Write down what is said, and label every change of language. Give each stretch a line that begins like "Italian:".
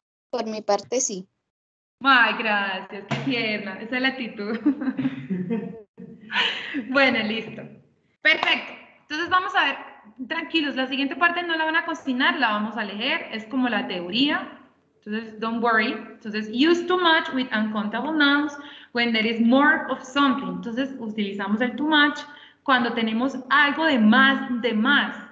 Spanish: Por mi parte, sí. Ay, gracias, qué tierna. Esa es la actitud. Bueno, listo. Perfecto. Entonces vamos a ver... Tranquilos, la siguiente parte no la van a cocinar, la vamos a leer, es como la teoría.
English: Entonces, don't worry. Entonces, use too much with uncountable nouns when there is more of something.
Spanish: Entonces, utilizamos el too much cuando tenemos algo de más.